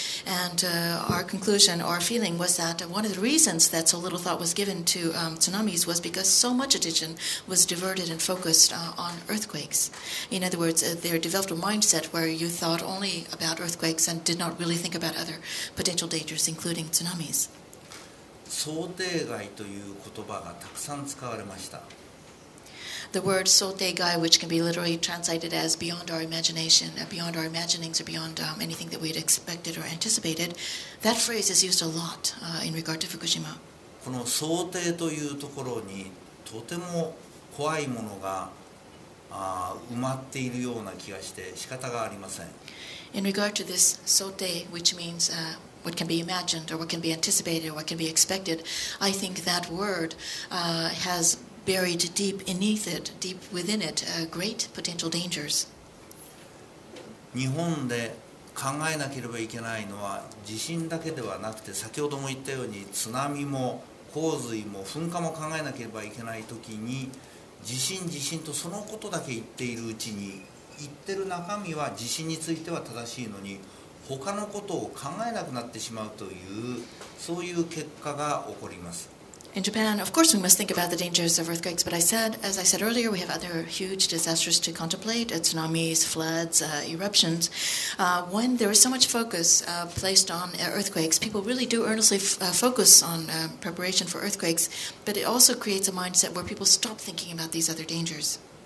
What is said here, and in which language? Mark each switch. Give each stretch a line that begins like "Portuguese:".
English: And our conclusion, our feeling was that one of the reasons that so little thought was given to tsunamis was because so much attention was diverted and focused on earthquakes. In other words, there developed a mindset where you thought only about earthquakes and did not really think about other potential dangers, including tsunamis.
Japanese: 想定外という言葉がたくさん使われました。
English: The word 想定外, which can be literally translated as beyond our imagination, beyond our imaginings, or beyond anything that we had expected or anticipated, that phrase is used a lot in regard to Fukushima.
Japanese: この想定というところにとても怖いものが埋まっているような気がして仕方がありません。
English: In regard to this 想定, which means what can be imagined or what can be anticipated or what can be expected, I think that word has buried deep beneath it, deep within it, great potential dangers.
Japanese: 日本で考えなければいけないのは地震だけではなくて、先ほども言ったように津波も洪水も噴火も考えなければいけないときに、地震地震とそのことだけ言っているうちに、言ってる中身は地震については正しいのに、他のことを考えなくなってしまうという、そういう結果が起こります。
English: In Japan, of course we must think about the dangers of earthquakes, but I said, as I said earlier, we have other huge disasters to contemplate, tsunamis, floods, eruptions. When there is so much focus placed on earthquakes, people really do earnestly focus on preparation for earthquakes, but it also creates a mindset where people stop thinking about these other dangers.